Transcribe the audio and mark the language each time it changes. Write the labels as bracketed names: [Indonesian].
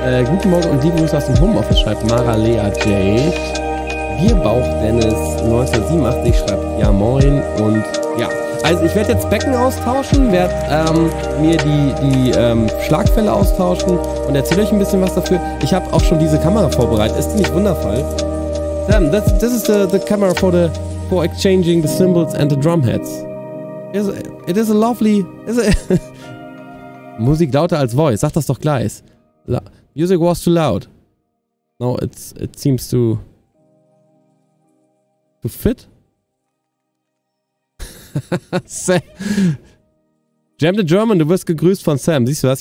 [German] Guten Morgen und liebe Grüße aus dem Homeoffice, schreibt Mara Lea Jade. Bierbauch Dennis 1987 schreibt ja moin und ja. Also ich werde jetzt Becken austauschen, werde mir die Schlagfälle austauschen und erzähle euch ein bisschen was dafür. Ich habe auch schon diese Kamera vorbereitet. Ist die nicht wundervoll? [English] Sam, this is the camera for exchanging the cymbals and the drum heads. It is a lovely... [German] Musik lauter als Voice, sag das doch gleich. [English] Music was too loud. No, it seems to... To fit? [German] Sam. Jam the German, du wirst gegrüßt von Sam. Siehst du das?